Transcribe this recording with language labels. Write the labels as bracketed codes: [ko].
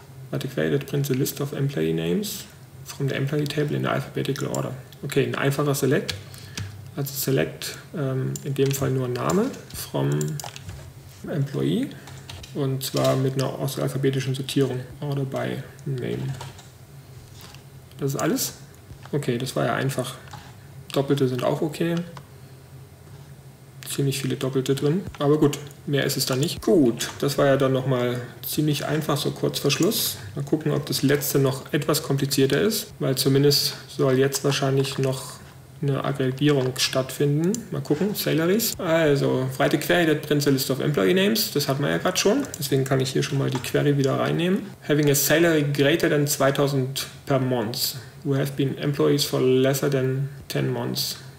[en] Warte, query that prints a list of employee names from the employee table in alphabetical order. [de] Okay, ein einfacher Select, also Select in dem Fall nur Name from employee und zwar mit einer alphabetischen Sortierung, order by name. Das ist alles? Okay, das war ja einfach. Doppelte sind auch okay. Ziemlich viele Doppelte drin. Aber gut, mehr ist es dann nicht. Gut, das war ja dann nochmal ziemlich einfach, so kurz vor Schluss. Mal gucken, ob das letzte noch etwas komplizierter ist. Weil zumindest soll jetzt wahrscheinlich noch eine Aggregierung stattfinden. Mal gucken, Salaries. [en] Also, breite Query, that prints a list of employee names. [de] Das hat man ja gerade schon. Deswegen kann ich hier schon mal die Query wieder reinnehmen. [en] Having a salary greater than 2000 per month. Who have been employees for lesser than 10 months.